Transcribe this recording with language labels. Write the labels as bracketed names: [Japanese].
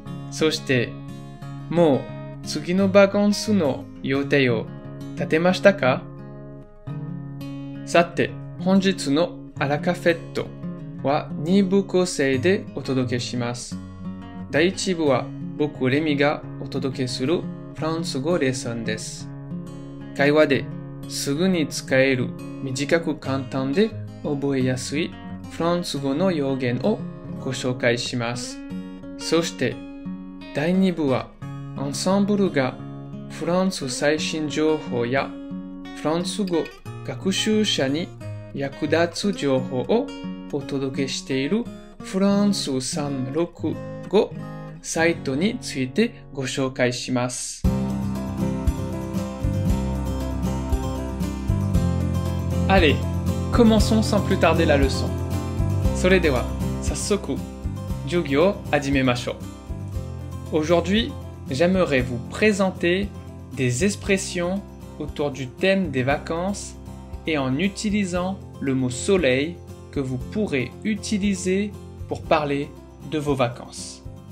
[Japanese] Soshite mou tsugi no bakansu no yotei o tatemashita ka? Sate, honjitsu no arakafetto wa ni bu kosei de otodoke shimasu. Daiichi bu wa boku Remi ga otodoke suru France語レッスンです。会話ですぐに使える短く簡単で覚えやすいフランス語の用言をご紹介します。そして第2部はアンサンブルがフランス最新情報やフランス語学習者に役立つ情報をお届けしているフランス365サイトについてご紹介します。 [French] Allez, commençons sans plus tarder la leçon. [Japanese] Sore de wa, sassoku, jugyo hajimemashou. [French] Aujourd'hui, j'aimerais vous présenter des expressions autour du thème des vacances et en utilisant le mot soleil que vous pourrez utiliser pour parler de vos vacances.